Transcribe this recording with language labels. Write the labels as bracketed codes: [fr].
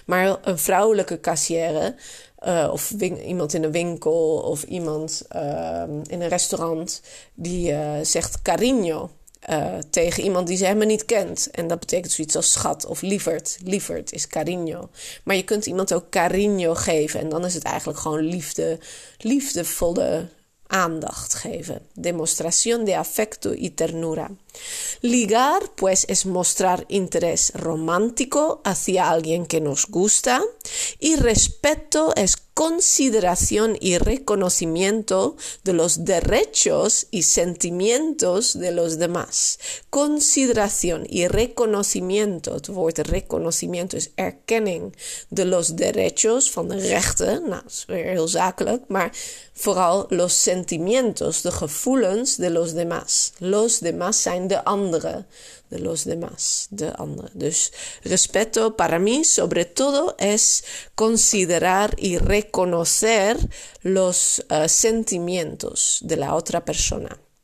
[nl] Maar een vrouwelijke cassière of iemand in een winkel of iemand in een restaurant die zegt cariño tegen iemand die ze helemaal niet kent. En dat betekent zoiets als schat of lieverd. Lieverd is cariño. Maar je kunt iemand ook cariño geven en dan is het eigenlijk gewoon liefde, liefdevolle aandacht geven. [es] Demostración de afecto y ternura. Ligar, pues, es mostrar interés romántico hacia alguien que nos gusta. Y respeto es consideración y reconocimiento de los derechos y sentimientos de los demás. Consideración y reconocimiento, [nl] het woord reconocimiento is erkenning [es] de los derechos, [nl] van de rechten, nou, dat is weer heel zakelijk, maar vooral [es] los sentimientos, [nl] de gevoelens [es] de los demás. Los demás [nl] zijn de anderen. [es] De los demás, [nl] de andere. [es] Dus respeto para mí, sobre todo, es considerar y reconocer los sentimientos de la otra persona.